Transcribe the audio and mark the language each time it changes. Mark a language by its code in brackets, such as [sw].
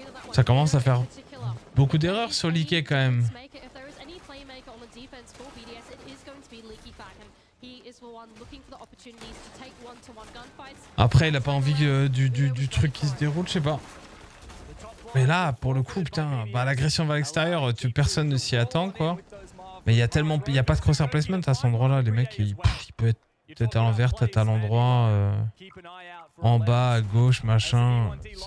[fr] Ça commence à faire beaucoup d'erreurs sur Leaky quand même. [en] If there is any playmaker on the defense for BDS, it is going to be Leakyfac. And he is the one looking for the opportunities to take one-to-one gunfights. [fr] Après, il a pas envie du truc qui se déroule, je sais pas. Mais là, pour le coup, putain, bah, l'agression va à l'extérieur, personne ne s'y attend, quoi. Mais il y a tellement... Il n'y a pas de crosshair placement à cet endroit-là. Les mecs, ils peuvent être... Peut-être à l'envers, peut-être à l'endroit, en bas, à gauche, machin.